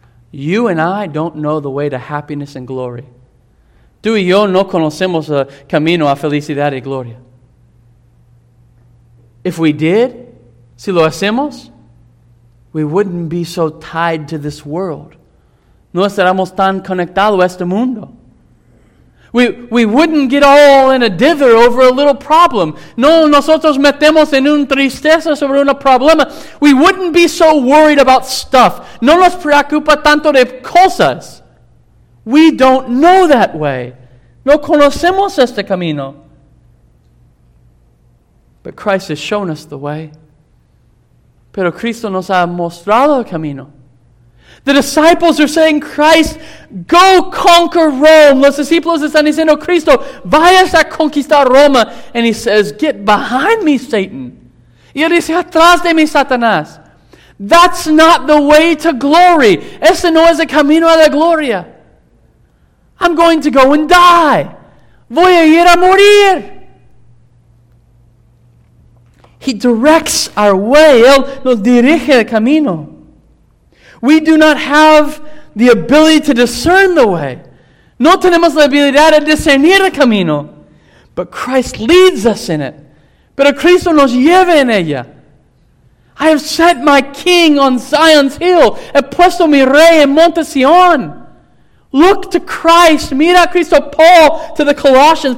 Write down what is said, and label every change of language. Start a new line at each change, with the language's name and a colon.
English: You and I don't know the way to happiness and glory.
Spanish: Tú y yo no conocemos el camino a felicidad y gloria.
English: If we did,
Spanish: si lo hacemos,
English: we wouldn't be so tied to this world.
Spanish: No estaríamos tan conectados a este mundo.
English: We wouldn't get all in a dither over a little problem.
Spanish: No, nosotros metemos en un tristeza sobre un problema.
English: We wouldn't be so worried about stuff.
Spanish: No nos preocupa tanto de cosas.
English: We don't know that way.
Spanish: No conocemos este camino.
English: But Christ has shown us the way.
Spanish: Pero Cristo nos ha mostrado el camino.
English: The disciples are saying, Christ, go conquer Rome.
Spanish: Los discípulos están diciendo, Cristo, vayas a conquistar Roma.
English: And he says, get behind me, Satan.
Spanish: Y él dice, atrás de mí, Satanás.
English: That's not the way to glory.
Spanish: Ese no es el camino a la gloria.
English: I'm going to go and die.
Spanish: Voy a ir a morir.
English: He directs our way.
Spanish: Él nos dirige el camino.
English: We do not have the ability to discern the way.
Spanish: No tenemos la habilidad de discernir el camino.
English: But Christ leads us in it.
Spanish: Pero Cristo nos lleva en ella.
English: I have set my king on Zion's hill.
Spanish: He puesto mi rey en Monte Sion.
English: Look to Christ.
Spanish: Mira a Cristo.
English: Paul to the Colossians.